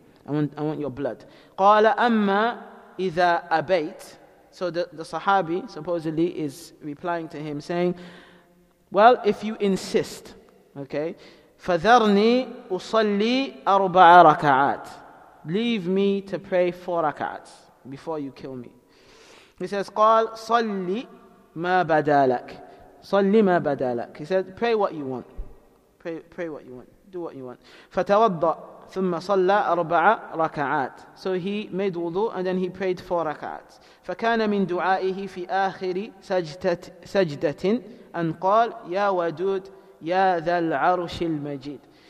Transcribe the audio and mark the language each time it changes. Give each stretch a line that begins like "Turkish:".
English: I want your blood.
Arabic: قال أما إِذَا أَبَيْتَ.
English: So the Sahabi supposedly is replying to him saying, well, if you insist, okay,
Arabic: فَذَرْنِي أُصَلِّي أَرْبَعَ رَكَعَاتِ.
English: Leave me to pray 4 rakats before you kill me. He says,
Arabic: قَالْ صَلِّي مَا بَدَالَكَ. صَلِّي مَا بَدَالَكَ.
English: He said, pray what you want. Pray what you want. Do what you want.
Arabic: فَتَوَضَّ ثُمَّ صَلَّى أَرْبَعَ رَكَعَاتِ.
English: So he made wudu and then he prayed 4 rakats.
Arabic: فَكَانَ مِنْ دُعَائِهِ فِي آخِرِ سَجْدَةٍ أَنْ قَالْ يَا وَدُودِ يَا ذَا الْعَرُشِ الْمَجِيدِ.